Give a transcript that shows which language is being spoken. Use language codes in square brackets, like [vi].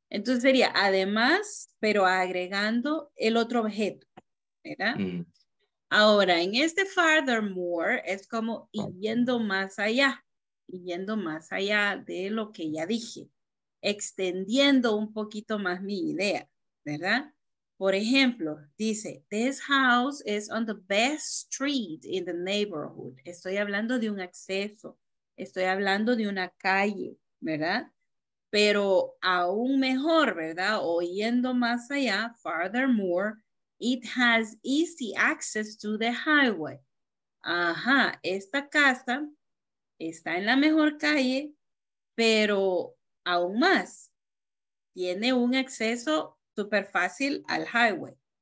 [es] Entonces sería además, pero agregando el otro objeto, ¿verdad? Mm. Ahora, en este furthermore, es como yendo más allá de lo que ya dije, extendiendo un poquito más mi idea, ¿verdad? Por ejemplo, dice, [en] this house is on the best street in the neighborhood. [es] Estoy hablando de un acceso, estoy hablando de una calle, ¿verdad? Pero aún mejor, ¿verdad? O yendo más allá, furthermore, [en] it has easy access to the highway. [es] Ajá, esta casa está en la mejor calle, pero aún más, tiene un acceso súper fácil al highway.